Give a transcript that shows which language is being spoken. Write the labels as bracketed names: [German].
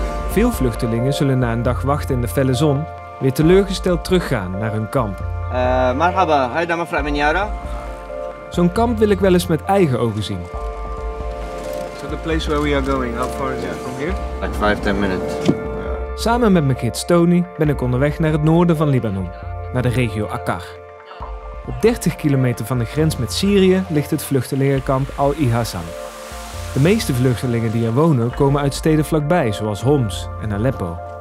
[Dutch] Veel vluchtelingen zullen na een dag wachten in de felle zon weer teleurgesteld teruggaan naar hun kamp. [Arabic] Merhaba, hayda mevrouw Minyara. [Dutch] Zo'n kamp wil ik wel eens met eigen ogen zien. [English] So the place where we are going, how far is it from here? Like 5-10 minutes. [Dutch] Samen met mijn gids Tony ben ik onderweg naar het noorden van Libanon, naar de regio Akkar. Op 30 kilometer van de grens met Syrië ligt het vluchtelingenkamp Al-Ihasan. De meeste vluchtelingen die er wonen komen uit steden vlakbij, zoals Homs en Aleppo.